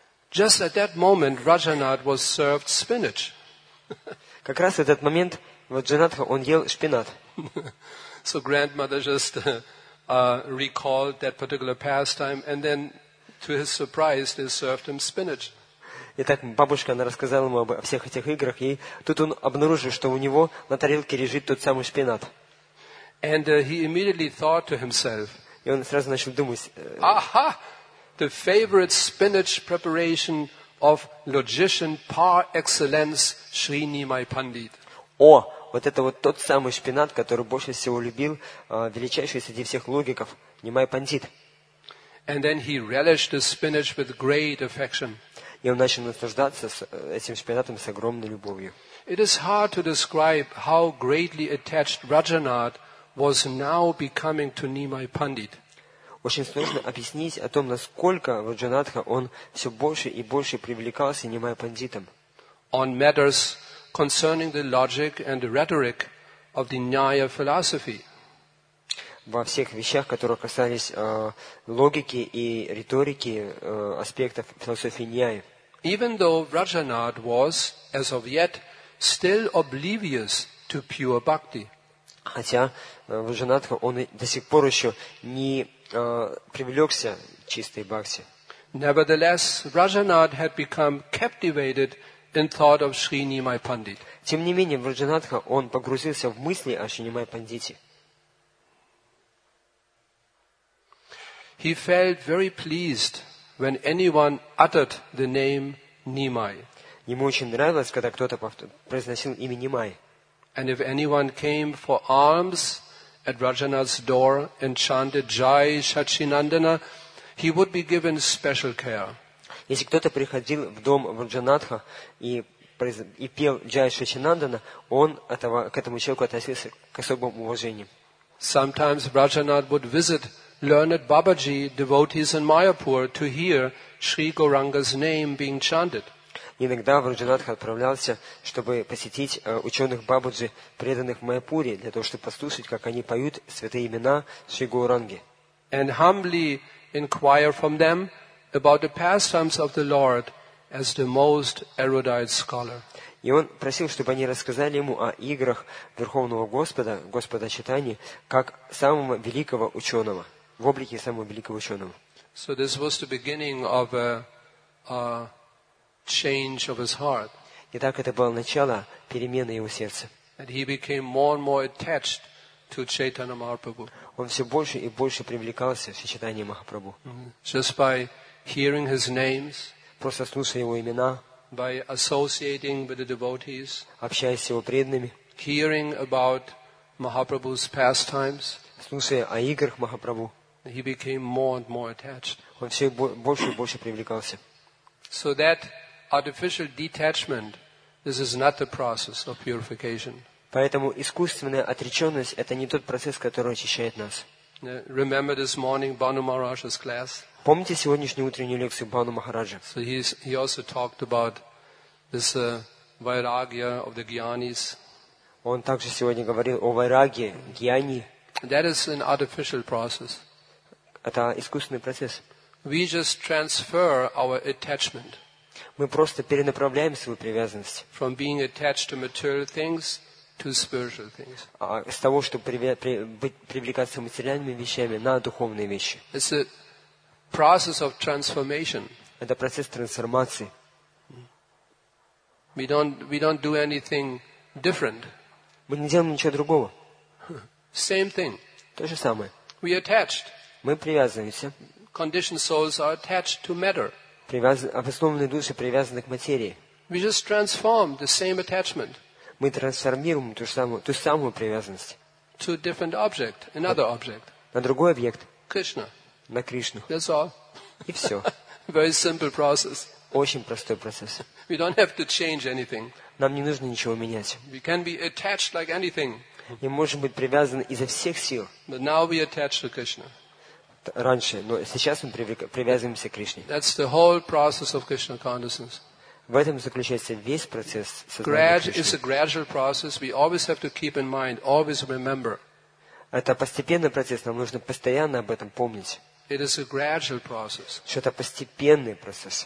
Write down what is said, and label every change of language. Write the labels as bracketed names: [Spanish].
[English] Just at that moment, Rajanath was served spinach. [Russian] Как раз в этот момент Раджанатха он ел шпинат. [English] So grandmother just recalled that particular pastime, and then, to his surprise, they served him spinach. [Russian] Итак, бабушка, она рассказала ему о всех этих играх, и тут он обнаружил, что у него на тарелке лежит тот самый шпинат. [English] And he immediately thought to himself. [Russian] И он сразу начал думать. [English] Aha! The favorite spinach preparation of logician par excellence Shri Nimai Pandit. [Russian] О, вот это вот тот самый шпинат, который больше всего любил величайший среди всех логиков Нимай Пандит. [English] And then he relished the spinach with great affection. [Russian] И он начал наслаждаться этим шпинатом с огромной любовью. [English] It is hard to describe how greatly attached Rajanath was now becoming to Nimai Pandit. [Russian] Очень сложно объяснить о том, насколько Раджанатха он все больше и больше привлекался Нимай Пандитом. [English] On matters concerning the logic and the rhetoric of the Nyaya philosophy. [Russian] Во всех вещах, которые касались логики и риторики аспектов философии Ньяя. [English] Even though Rajanath was, as of yet, still oblivious to pure bhakti. [Russian] Хотя Раджанатха он до сих пор еще не привлекся чистой бхакти. [English] Nevertheless, Rajanath had become captivated in thought of Shri Nimai Pandit. [Russian] Тем не менее, Раджанатха он погрузился в мысли о Шри Нимай Пандите. [English] He felt very pleased when anyone uttered the name Nimai. [Russian] Ему очень нравилось, когда кто-то произносил имя Нимай. [English] And if anyone came for alms at Rajanath's door and chanted Jai Shachinandana, he would be given special care. [Russian] Если кто-то приходил в дом Раджанатха и пел Джай Шачинандана, он к этому человеку относился к особым уважениям. [English] Sometimes Rajanath would visit learned Babaji devotees in Mayapur to hear Sri Gauranga's name being chanted. [Russian] Иногда Раджанатха отправлялся, чтобы посетить ученых Бабаджи, преданных в Майяпуре, для того, чтобы послушать, как они поют святые имена Шри Гауранги. [English] And humbly inquire from them about the pastimes of the Lord as the most erudite scholar. [Russian] И он просил, чтобы они рассказали ему о играх Верховного Господа, Господа Читани, как самого великого ученого, в облике самого великого ученого. [English] So this was the beginning of a change of his heart. [Russian] И так это было начало перемены его сердца. [English] And he became more and more attached to Chaitanya Mahaprabhu. [Russian] Он все больше и больше привлекался к Чайтанье Махапрабху. [English] Just by hearing his names, [Russian] просто слушая его имена, [English] by associating with the devotees, [Russian] общаясь с его преданными, [English] hearing about Mahaprabhu's pastimes, [Russian] слушая о играх Махапрабху, [English] he became more and more attached. [Russian] Он все больше и больше привлекался. [English] So that artificial detachment, this is not the process of purification. [Russian] Поэтому искусственная отреченность это не тот процесс, который очищает нас. [English] Remember this morning Banu Maharaj's class? [Russian] Помните сегодняшнюю утреннюю лекцию Бану Махараджа? [English] So he also talked about this vairagya of the gyanis. [Russian] Он также сегодня говорил о вайраге гьяни. [English] That is an artificial process. [Russian] Это искусственный процесс. [English] We just transfer our attachment. [Russian] Мы просто перенаправляем свою привязанность. [English] From being attached to material things to spiritual things. [Russian] С того, чтобы привлекаться материальными вещами на духовные вещи. [English] It's a process of transformation. [Russian] Это процесс трансформации. [English] We don't do anything different. [Russian] Мы не делаем ничего другого. [English] Same thing. [Russian] То же самое. [English] We attached. [Russian] Мы привязываемся. [English] Conditioned souls are attached to matter. [Russian] Обоснованные души привязаны к материи. [English] We just transform the same attachment. [Russian] Мы трансформируем ту самую привязанность. [English] To a different object, another object. [Russian] На другой объект. [English] Krishna. [Russian] На Кришну. [English] That's all. [Russian] И все. [English] Very simple process. [Russian] Очень простой процесс. [English] We don't have to change anything. [Russian] Нам не нужно ничего менять. [English] We can be attached like anything. [Russian] Мы можем быть привязаны изо всех сил. [English] But now we attach to Krishna. [Russian] Раньше, но сейчас мы привязываемся к Кришне. [English] That's the whole process of Krishna consciousness. [Russian] В этом заключается весь процесс сознания Кришны. [English] It's a gradual process. We always have to keep in mind, always remember. [Russian] Это постепенный процесс. Нам нужно постоянно об этом помнить. [English] It is a gradual process. [Russian] Что это постепенный процесс.